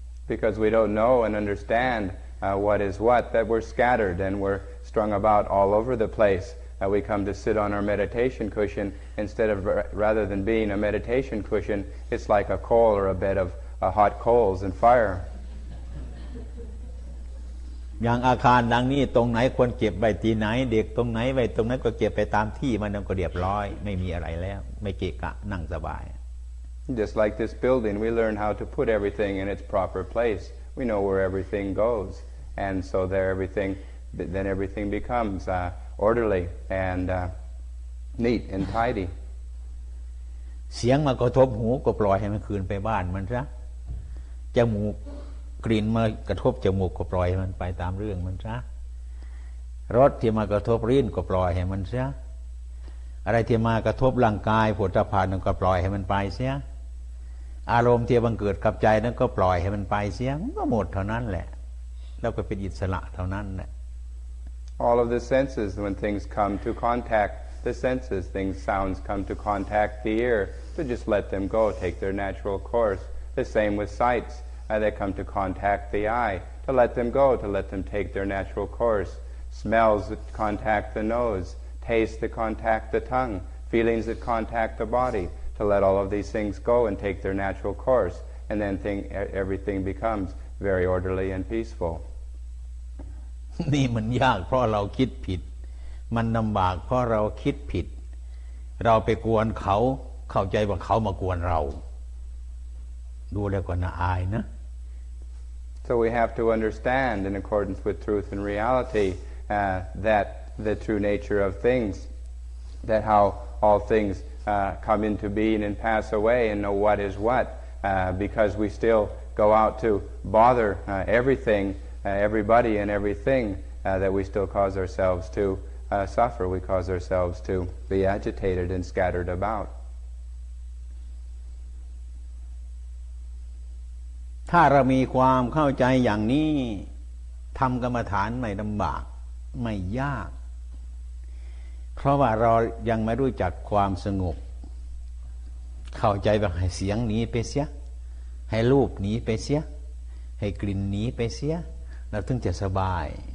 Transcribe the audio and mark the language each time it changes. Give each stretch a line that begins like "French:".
English: Because we don't know and understand what is what that we're scattered and we're strung about all over the placeWe come to sit on our meditation cushion instead of rather than being a meditation cushion, it's like a coal or a bed of hot coals and fire.
Thai: อย่างอาคารดังนี้ตรงไหนควรเก็บไว้ที่ไหนเด็กตรงไหนไว้ตรงนั้นก็เก็บไปตามที่มันก็เรียบร้อยไม่มีอะไรแล้วไม่เกะกะนั่งสบาย
English: Just like this building we learn how to put everything in its proper place we know where everything goes and so there everything then everything becomes orderly and neat and tidy
Thai: เสียงมากระทบหูก็ปล่อยให้มันคืนไปบ้านมันซะจมูกกลิ่นมากระทบจมูกก็ปล่อยให้มันไปตามเรื่องมันซะรสที่มากระทบลิ้นก็ปล่อยให้มันซะอะไรที่มากระทบร่างกายผัวจะผ่านนั่นก็ปล่อยให้มันไปเสียอารมณ์ที่บังเกิดกับใจนั้นก็ปล่อยให้มันไปเสียก็หมดเท่านั้นแหละแล้วก็เป็นอิสระเท่านั้นแหละ
English: All of the senses when things come to contact the senses things sounds come to contact the ear to just let them go take their natural course the same with sightsthey come to contact the eye to let them go to let them take their natural course smells that contact the nose tastes that contact the tongue feelings that contact the body to let all of these things go and take their natural course and then thing everything becomes very orderly and peaceful
Thai: นี่มันยากเพราะเราคิดผิดมันลําบากเพราะเราคิดผิดเราไปกวนเขาเข้าใจว่าเขามากวนเราดูแล้วก็น่าอายนะ
English: So we have to understand in accordance with truth and reality that the true nature of things that how all things come into being and pass away and know what is what because we still go out to bother everything everybody and everything that we still cause ourselves to suffer we cause ourselves to be agitated and scattered about
Thai: ถ้าเรามีความเข้าใจอย่างนี้ทำกรรมฐานไม่ลำบากไม่ยากเพราะว่าเรายังไม่รู้จักความสงบเข้าใจว่าให้เสียงหนีไปเสียให้รูปหนีไปเสียให้กลิ่นหนีไปเสียเราถึงจะสบาย